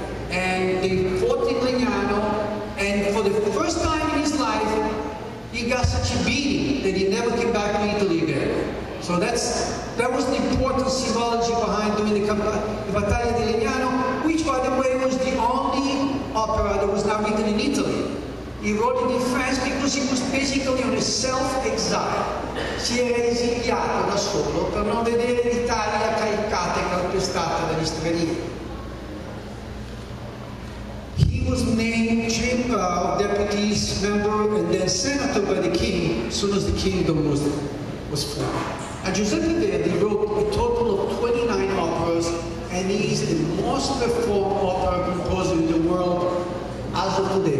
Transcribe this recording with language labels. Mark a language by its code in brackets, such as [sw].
[en] And they fought in Legnano, and for the first time in his life, he got such a beating that he never came back to Italy again. So that was the important symbology behind doing the Battaglia di Legnano, which, by the way, was the only opera that was not written in Italy. He wrote it in France because he was basically on a self-exile. [it] Si era esiliato da solo per non vedere l'Italia caricata e calpestata dagli stranieri. [en] He was named chamber of deputies, member, and then senator by the king as soon as the kingdom was formed. And Giuseppe Verdi wrote a total of 29 operas, and he is the most performed opera composer in the world as of today.